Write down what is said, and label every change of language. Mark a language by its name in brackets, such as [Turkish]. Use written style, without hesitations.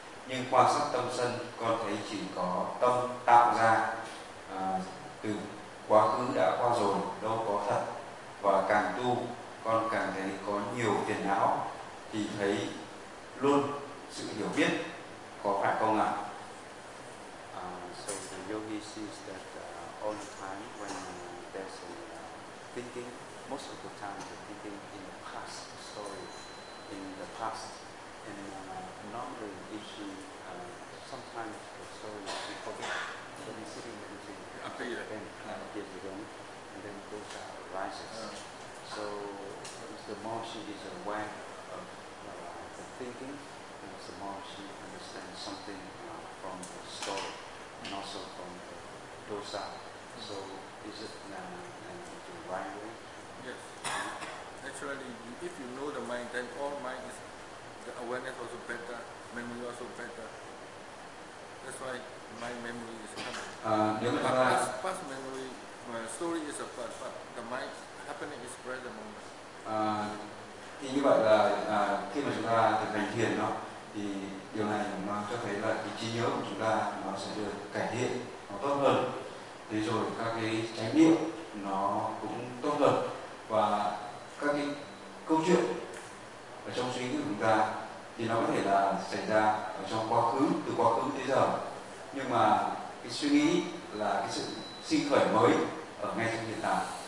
[Vietnamese] Nhưng quan sát tâm sân, con thấy chỉ có tâm tạo ra từ quá khứ đã qua rồi, đâu có thật. Và càng tu, con càng thấy có nhiều phiền não, thì thấy luôn sự hiểu biết, có phải không ạ? [English] So the yogi sees that all the time when there's a thinking, most of the time the thinking in the past story, in the past, and normally if she sometimes the story she forgets, then he's sitting and thinking, appears again, and then goes out, rises. So the more she is aware of the thinking, the more she understands something from the story. And also from the dosa. So is it the right way? Yes. Naturally, if you know the mind, then all mind is, the awareness also better, memory also better. That's why my memory is coming. [Vietnamese] Nếu mà ta [English] past memory, my story is a past, but the mind happening is present moment. [Vietnamese] Thì như vậy là khi mà chúng ta thực hành thiền đó, thì điều này nó cho thấy là cái trí nhớ của chúng ta nó sẽ được cải thiện, nó tốt hơn. Thế rồi các cái chánh niệm nó cũng tốt hơn, và các cái câu chuyện ở trong suy nghĩ của chúng ta thì nó có thể là xảy ra ở trong quá khứ, từ quá khứ tới giờ, nhưng mà cái suy nghĩ là cái sự sinh khởi mới ở ngay trong hiện tại.